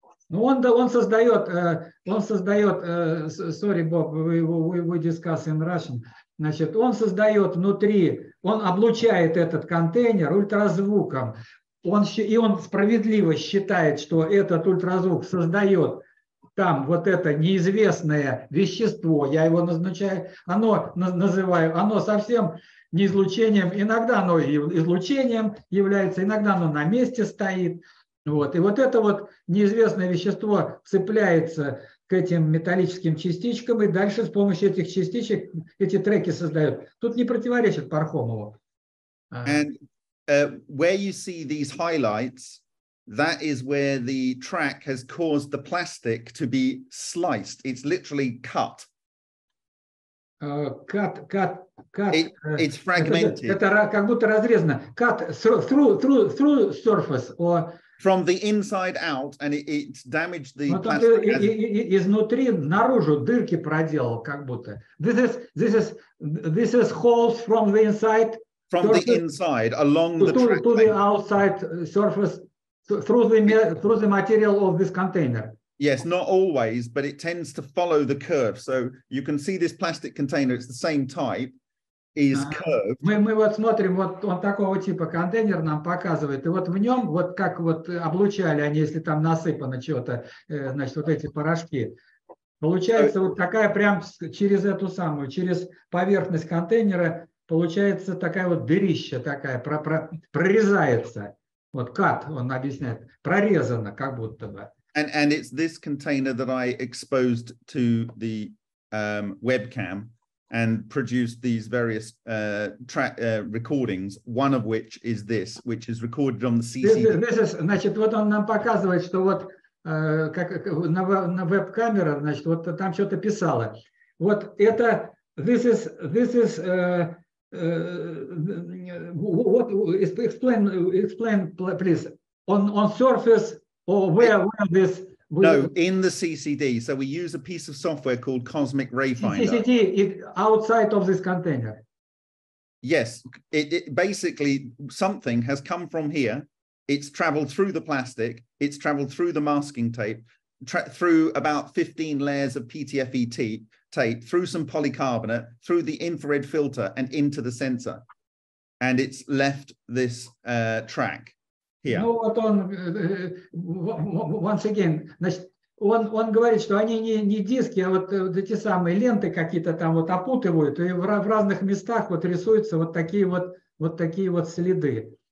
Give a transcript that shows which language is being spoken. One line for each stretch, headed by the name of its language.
Russian: Ну, он создает,
English: sorry, Bob, we discuss in Russian,
Russian: значит, он создает внутри, он облучает этот контейнер ультразвуком, он справедливо считает, что этот ультразвук создает там вот это неизвестное вещество, я его назначаю, оно называю, оно совсем не излучением, иногда оно излучением является, иногда оно на месте стоит. Вот. И вот это вот неизвестное вещество цепляется к этим металлическим частичкам, и дальше с помощью этих частичек эти треки создают. Тут не противоречит Пархомову.
English: And where you see these highlights... That is where the track has caused the plastic to be sliced. It's literally cut. Cut. It's fragmented.
Russian: Это как будто разрезано.
English: Cut through surface or from the inside out, and it's damaged the plastic.
Russian: Изнутри наружу дырки проделал, как будто.
English: This is holes from the inside. From the inside along the track. To the outside surface. Through the material of this container. Yes, not always, but it tends to follow the curve. So you can see this plastic container, it's the same type, is curved.
Russian: Мы вот смотрим, вот он такого типа контейнер нам показывает. И вот в нем, вот как вот облучали они, если там насыпано чего-то, значит, вот эти порошки. Получается вот такая прям через эту самую, через поверхность контейнера, получается такая вот дырища такая, прорезается. Вот cut, он объясняет, прорезано, как будто бы.
English: And it's this container that I exposed to the webcam, and produced these various recordings, one of which is this, which is recorded on the CCTV.
Russian: Значит, вот он нам показывает, что вот как на веб-камера, значит, вот там что-то писало. Вот это
English: this is what explain please on surface or where this. No, in the CCD. So we use a piece of software called Cosmic Ray Finder. CCD is outside of this container. Yes, it basically something has come from here. It's traveled through the plastic. It's traveled through the masking tape, through about 15 layers of PTFE tape, through some polycarbonate, through the infrared filter, and into the sensor. And it's left this track.
Russian: Ну вот он,
English: once again,
Russian: значит, он говорит, что они не диски, а вот эти самые ленты какие-то там вот опутывают, и в разных местах вот рисуются вот такие вот следы.